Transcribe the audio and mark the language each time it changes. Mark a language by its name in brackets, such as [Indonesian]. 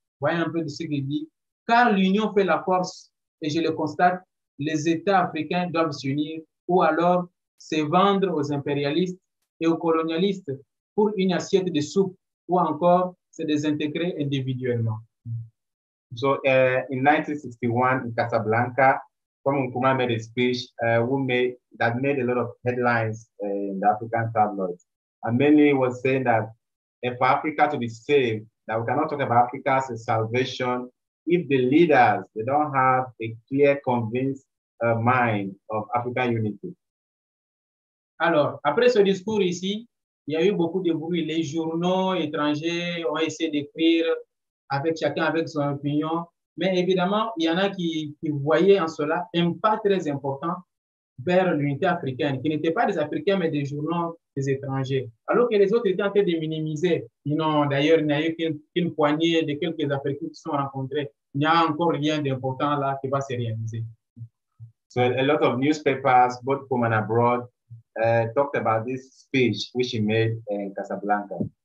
[French] Voyez un peu de ce qu'il dit. Car l'union fait la force, et je le constate, les États africains doivent s'unir ou alors se vendre aux impérialistes et aux colonialistes pour une assiette de soupe ou encore se désintégrer individuellement. [English] So in 1961 in Casablanca, Kwame Nkrumah made a speech that made a lot of headlines in the African tabloids. And mainly was saying that if Africa to be saved, that we cannot talk about Africa as a salvation if the leaders, they don't have a clear, convinced mind of African unity. [French] Alors, après ce discours ici, il y a eu beaucoup de bruit. Les journaux étrangers ont essayé d'écrire avec chacun avec son opinion. Mais évidemment, il y en a qui voyaient en cela un pas très important vers l'unité africaine, qui n'étaient pas des Africains, mais des journaux des étrangers. Alors que les autres étaient en train de minimiser. Non, d'ailleurs, il n'y a eu qu'une poignée de quelques Africains qui se sont rencontrés. Il n'y a encore rien d'important là qui va se réaliser. [English] So a lot of newspapers, both from and abroad, talked about this speech which he made in Casablanca.